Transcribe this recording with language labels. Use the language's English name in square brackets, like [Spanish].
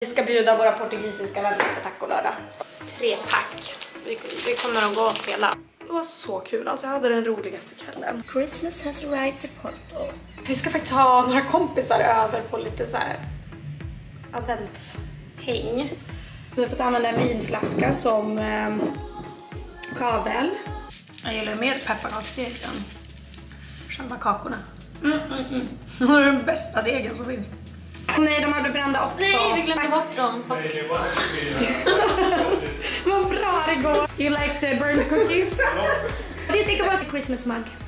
[Swedish] Vi ska bjuda våra portugisiska vänner på tacolördag. Tre pack. Vi kommer att gå och spela. Det var så kul, alltså jag hade den roligaste kvällen. [English] Christmas has arrived to Porto. [Swedish] Vi ska faktiskt ha några kompisar över på lite så här adventshäng. Vi har fått använda en vinflaska som kavel. Jag gillar mer pepparkaksdeg än själva kakorna. Nu är det den bästa degen som finns. Nej, de hade brända också. Nej, vi glömde bort dem. Vad bra det går. [English] You like the burnt cookies? What do you think about the Christmas mug?